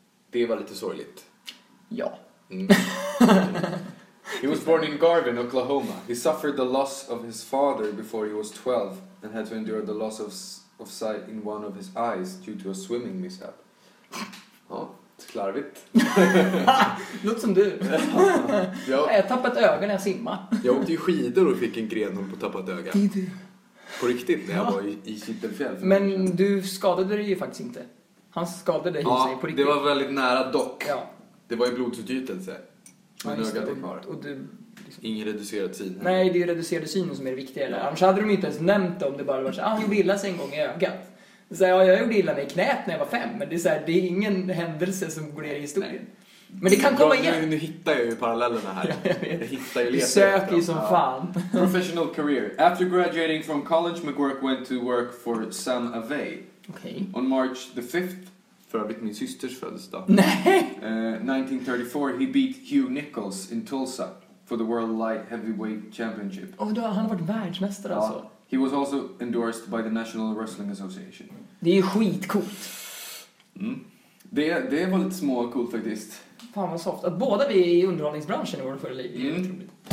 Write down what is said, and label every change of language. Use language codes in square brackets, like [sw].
[sv] Det var lite sorgligt. Ja. [en] He was born in Garvin, Oklahoma. He suffered the loss of his father before he was 12 and had to endure the loss of sight in one of his eyes due to a swimming mishap. [sv] Ja, slarvigt. Låt som du. Ja. Jag har tappat ögon när jag simmar. Jag åkte ju skidor och fick en gren på tappat öga. På riktigt, när jag var i Kittelfjäll. Men du skadade dig ju faktiskt inte. Han skadade dig sig på riktigt. Det var väldigt nära dock. Ja. Det var ju blodsutgjutelse. Men ja, ögat är kvar. Och du, liksom. Ingen reducerad syn. Här. Nej, det är ju reducerad syn som är det viktiga. Eller? Annars hade de inte ens nämnt det om det bara var så att han gjorde illa sig en gång i ögat. Så här, ja, jag gjorde illa mig i knät när jag var 5. Men det är, så här, det är ingen händelse som går ner i historien. Men det kan komma igen. Nu hittar jag ju parallellerna här. Du söker ju som fan. [en] Professional career. After graduating from college, McGurk went to work for Sam Avey. Okay. On March the 5th. [sv] För att min systers födelsedag. Nej! [en] 1934, he beat Hugh Nichols in Tulsa for the World Light Heavyweight Championship. [sv] Åh, då har han varit världsmästare alltså. [en] He was also endorsed by the National Wrestling Association. [sv] Det är ju skitcoolt. Mm. Det var lite små och coolt faktiskt. Fan vad soft. Att båda vi är i underhållningsbranschen i vår förra liv. Det är otroligt.